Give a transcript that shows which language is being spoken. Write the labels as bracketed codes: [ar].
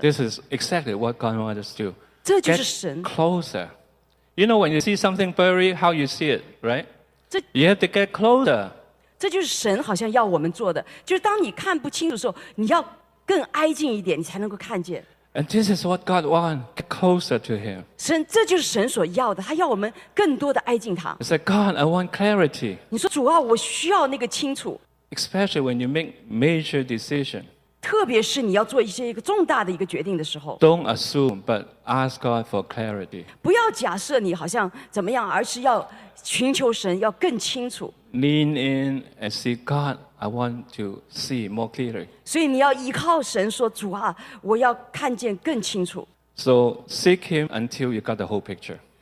[en] This is exactly what God wants us to do. [zh] 这就是神。 [en] Get closer. You know when you see something blurry, how you see it, right? 这, you have to get closer. [zh] 这就是神好像要我们做的，就是当你看不清楚的时候，你要更挨近一点，你才能够看见。And [en] this is what God wants, closer to Him. [zh] 神，这就是神所要的，他要我们更多的挨近他。He [en] said, God, I want clarity. [zh] 你说，主啊，我需要那个清楚。Especially [en] when you make major decision. [zh] 特别是你要做一些一个重大的一个决定的时候。Don't [en] assume, but ask God for clarity. [zh] 不要假设你好像怎么样，而是要 寻求神要更清楚 [en] Lean in and say God I want to see more clearly [zh] 所以你要依靠神说主啊我要看见更清楚 [en] So seek him until you got the whole picture